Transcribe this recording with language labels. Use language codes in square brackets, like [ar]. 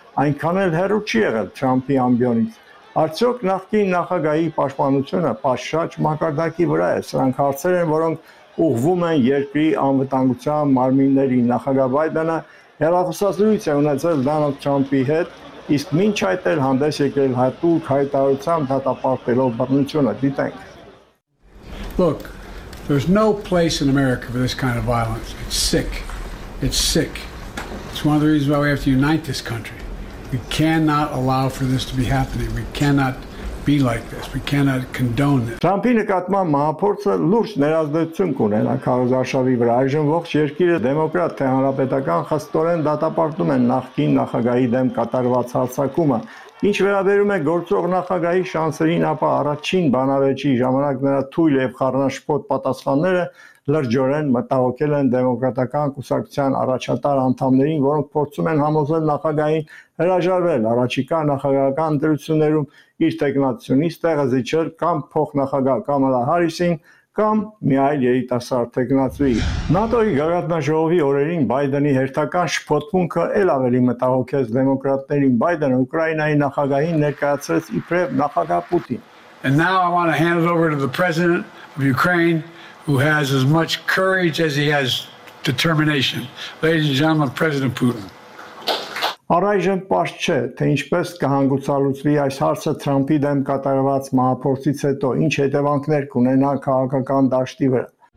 [hy] այնքան էլ հեռու չի եղել Թրամփի ամբիոնից։ Արդյոք նախկին նախագահի պաշտպանությունը պաշտաճ մակարդակի վրա է, սրանք հարցեր են, որոնք ուղղվում են երկրի անվտանգության մարմիններին։ Նախագահ Բայդենը հեռախոսազրույց է ունեցել Դոնալդ Թրամփի հետ, իսկ մինչ այդ էլ հանդես եկել հատուկ հայտարարությամբ դատապարտելով բռնությունը։ Դիտենք։ [en] Look, there's no place in America for this kind of violence. It's sick. It's sick. It's one of the reasons why we have to unite this country. We cannot allow for this to be happening. We cannot be like this. We cannot condone this. [hy] Թրամփի նկատմամբ մահապորձը լուրջ ներազդեցություն կունենա քաղաքաշավի վրա։ Այժմ ողջ երկիրը դեմոկրատ թե հանրապետական խստորեն դատապարտում են նախկին նախագահի դեմ կատարված հարձակումը։ Ինչ վերաբերում է գործող նախագահի շանսերին, ապա առաջին բանավեճի ժամանակ նրա թույլ և խառնաշփոթ պատասխանները լրջորեն մտահոգել են դեմոկրատական կուսակցության առաջատար անդամներին, որոնք փորձում են համոզել նախագահին հրաժարվել առաջիկա նախագահական ընտրություններում իր թեկնածուից տեղը զիջել կամ փոխնախագահ Կամալա Հարիսին կամ մի այլ երիտասարդ թեկնածուի։ ՆԱՏՕ-ի գագաթնաժողովի օրերին Բայդենի հերթական շփոթմունքը էլ ավելի մտահոգեց դեմոկրատներին։ Բայդենը Ուկրաինայի նախագահին ներկայացրեց իբրև նախագահ Պուտին։ [en] And now I want to hand it over to the president of Ukraine, who has as much courage as he has determination. Ladies and gentlemen, President Putin. [hy] Առայժմ պարզ չէ, թե ինչպես կհանգուցալուծվի այս հարցը Թրամփի դեմ կատարված մահապորձից հետո, ինչ հետևանքներ կունենա քաղաքական դաշտի վրա։